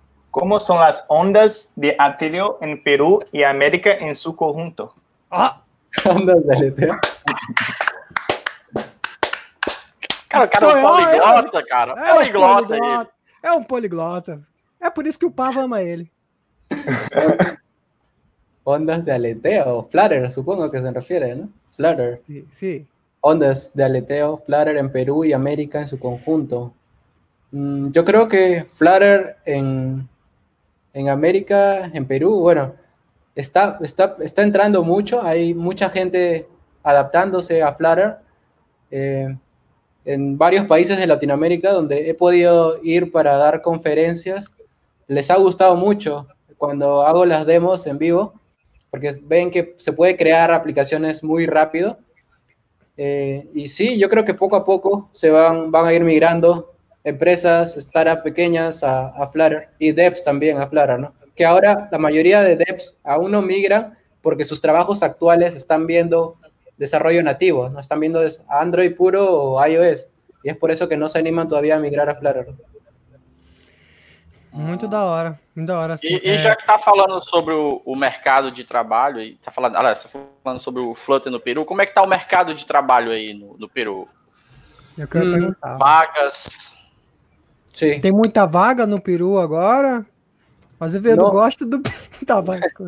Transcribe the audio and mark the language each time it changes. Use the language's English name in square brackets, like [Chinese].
[Portuguese] Como são as ondas de Atilio em Peru e América em seu conjunto? Ah! Ondas de Atilio. Cara, o cara é um poliglota, cara. É um poliglota. É um poliglota. É por isso que o Pavo ama ele. [Spanish] Ondas de aleteo, flutter, supongo que se refiere, ¿no? Flutter. Sí. Ondas de aleteo, flutter en Perú y América en su conjunto. Yo creo que flutter en América, en Perú, bueno, está entrando mucho. Hay mucha gente adaptándose a flutter en varios países de Latinoamérica donde he podido ir para dar conferencias. Les ha gustado mucho cuando hago las demos en vivo, porque ven que se puede crear aplicaciones muy rápido. Y sí, yo creo que poco a poco se van a ir migrando empresas, startups pequeñas a Flutter, y devs también a Flutter, ¿no? Que ahora la mayoría de devs aún no migran porque sus trabajos actuales están viendo desarrollo nativo, no están viendo Android puro o iOS, y es por eso que no se animan todavía a migrar a Flutter. [Portuguese] Muito da hora, muito da hora. Assim, e já que tá falando sobre o mercado de trabalho, e tá falando sobre o Flutter no Peru, como é que tá o mercado de trabalho aí no Peru? Eu quero perguntar. Vagas. Sim. Tem muita vaga no Peru agora? Mas eu não gosto do trabalho.